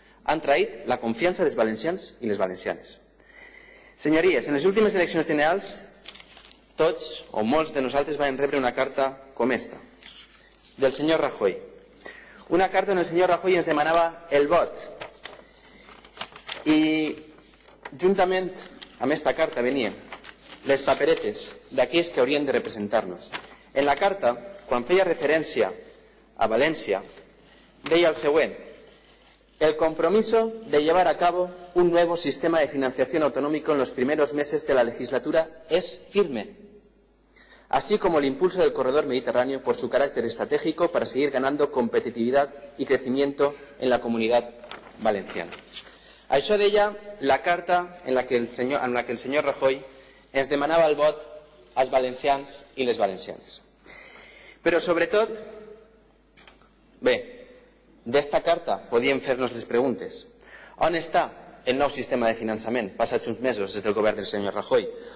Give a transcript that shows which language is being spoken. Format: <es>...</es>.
<ca>Han traït la confiança dels valencians i les valencianes. Senyories, en les últimes eleccions generals, tots o molts de nosaltres vam rebre una carta com esta, del senyor Rajoy. Una carta on el senyor Rajoy ens demanava el vot. I juntament amb esta carta venien les paperetes d'aquells que haurien de representar-nos. En la carta, quan feia referència a València, deia el següent:</ca> <es>el compromiso de llevar a cabo un nuevo sistema de financiación autonómico en los primeros meses de la legislatura es firme, así como el impulso del corredor mediterráneo por su carácter estratégico para seguir ganando competitividad y crecimiento en la comunidad valenciana.</es> <ca>Això deia la carta en la que el senyor, en la que el senyor Rajoy ens demanava el vot als valencians i les valencianes. Però sobretot, bé, d'esta carta podíem fer-nos les preguntes. On està el nou sistema de finançament, passats uns mesos des del govern del senyor Rajoy?</ca>